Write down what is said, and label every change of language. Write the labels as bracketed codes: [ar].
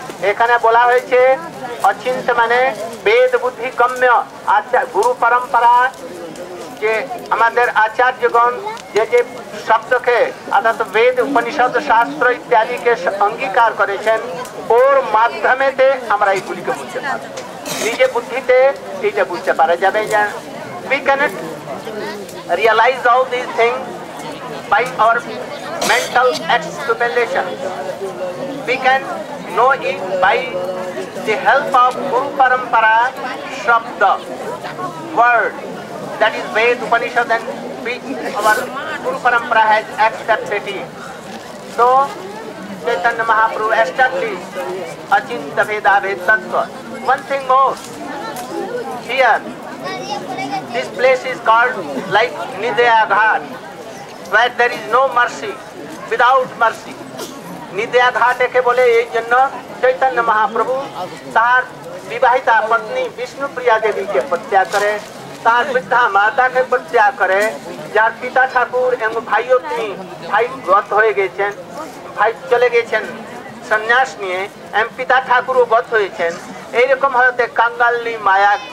[bn] এখানে বলা হয়েছে অচিন্ত মানে বেদ বুদ্ধি গম্য আচার্য গুরু পরম্পরা যে আমাদের আচার্যগণ যে যে শব্দকে অর্থাৎ বেদ উপনিষদ শাস্ত্র ইত্যাদিকে অঙ্গীকার করেছেন ওর মাধ্যমেতে আমরা এইগুলিকে বুঝতে পারব, নিজে বুদ্ধিতে এইটা বুঝতে পারা যাবে না। [en] We cannot realise all this things by our mental explanation, we can know it by the help of Guru Parampara Shabda, word, that is Ved, Upanishad and which our Guru Parampara has accepted it. So, Chaitanya Mahaprabhu established Achinta Veda Ved Tattva. One thing more, here, this place is called like Nidaya Ghat, where there is no mercy, without mercy. [bn] নিদয়া ঘাটকে বলে এই জন্য চৈতন্য মহাপ্রভু তার বিবাহিতা পত্নী বিষ্ণুপ্রিয়া দেবীকে প্রত্যাগ করে, তার বৃদ্ধা মাতাকে প্রত্যাগ করে, যার পিতা ঠাকুর এবং ভাইও তিনি ভাই গত হয়ে গেছেন, ভাই চলে গেছেন সন্ন্যাস নিয়ে এবং পিতা ঠাকুরও গত হয়েছেন, এইরকম হতে কাঙ্গালি মায়া